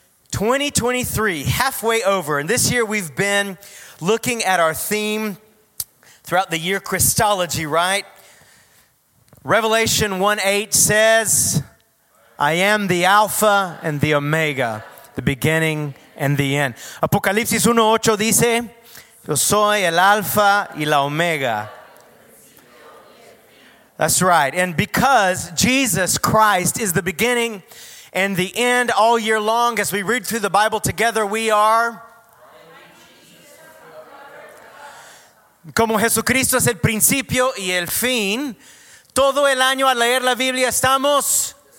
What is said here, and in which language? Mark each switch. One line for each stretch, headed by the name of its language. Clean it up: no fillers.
English: 2023, halfway over. And this year we've been looking at our theme throughout the year, Christology, right? Revelation 1:8 says, I am the Alpha and the Omega, the beginning and the end.
Spanish: Apocalipsis 1:8 dice, yo soy el Alpha y la Omega.
English: That's right. And because Jesus Christ is the beginning and the end all year long, as we read through the Bible together, we are.
Spanish: Como Jesucristo es el principio y el fin, todo el año al leer la Biblia estamos.